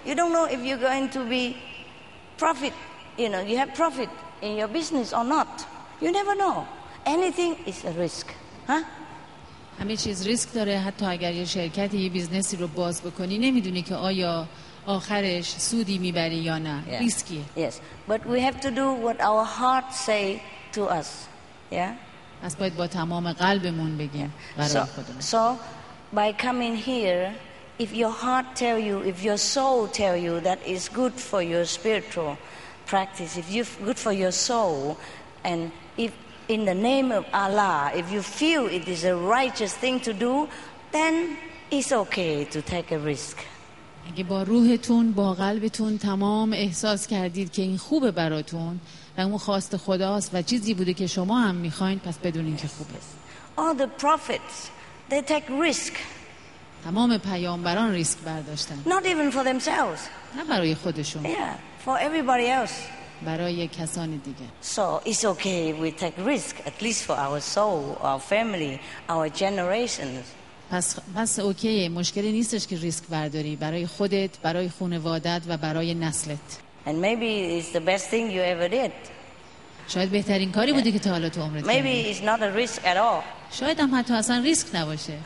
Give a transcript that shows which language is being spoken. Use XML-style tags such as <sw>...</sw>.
<en>You don't know if you're going to be profit. You know, you have profit in your business or not. You never know. Anything is a risk. Huh?</en> <fa>همه چیز ریسک داره. حتی اگر یه شرکتی یه بیزنسی رو باز بکنی نمیدونی که آیا آخرش سودی میبری یا نه. Yeah. ریسکیه.</fa> <en>Yes. But we have to do what our heart say to us. Yeah?</en> <fa>پس باید با تمام قلبمون بگیم.</fa> <en>So by coming here, if your heart tell you, if your soul tell you that is good for your spiritual practice, if you're good for your soul, and if in the name of Allah, if you feel it is a righteous thing to do, then it's okay to take a risk.</en> <fa>اگه با روحتون با قلبتون تمام احساس کردید که این خوبه براتون و اون خواست خداست و چیزی بوده که شما هم میخواین، پس بدونین که خوبه.</fa> <en>All the prophets, they take risk.</en> <fa>تمام پیامبران ریسک برداشتن.</fa> <en>Not even for themselves.</en> <fa>نه برای خودشون.</fa> <en>Yeah. For everybody else.</en> <fa>برای کسانی دیگه.</fa> <en>So it's okay we take risk, at least for our soul, our family, our generations.</en> <fa>پس اوکیه، مشکلی نیستش که ریسک برداری برای خودت، برای خانوادت و برای نسلت.</fa> <en>And maybe it's the best thing you ever did.</en> <fa>شاید بهترین کاری بودی که تا حالا تو عمرت.</fa> <en>Maybe it's not a risk at all.</en> <fa>شاید هم حتی اصلا ریسک نباشه.</fa>